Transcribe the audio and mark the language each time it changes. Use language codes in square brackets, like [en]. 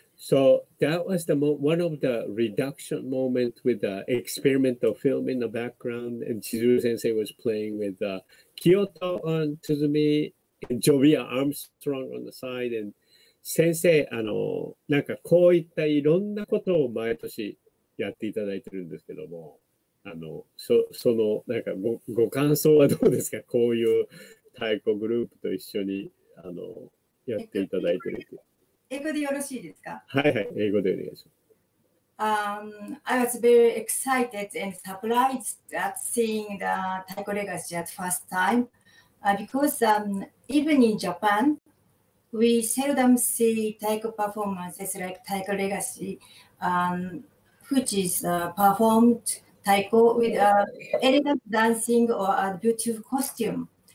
[en] That was the one of the reduction moment with the experimental film in the background, and Chizuru Sensei was playing with Kyoto on Tsuzumi and Jovia Armstrong on the side. [ja] And Sensei, なんかこういったいろんなことを毎年やっていただいてるんですけども、そのなんかご感想はどうですか？こういう太鼓グループと一緒にやっていただいてるって。英語でよろしいですか？はいはい、英語でお願いします。 [en] I was very excited and surprised at seeing the Taiko Legacy at first time, because even in Japan, we seldom see Taiko performances like Taiko Legacy, which is performed Taiko with elegant dancing or a beautiful costume.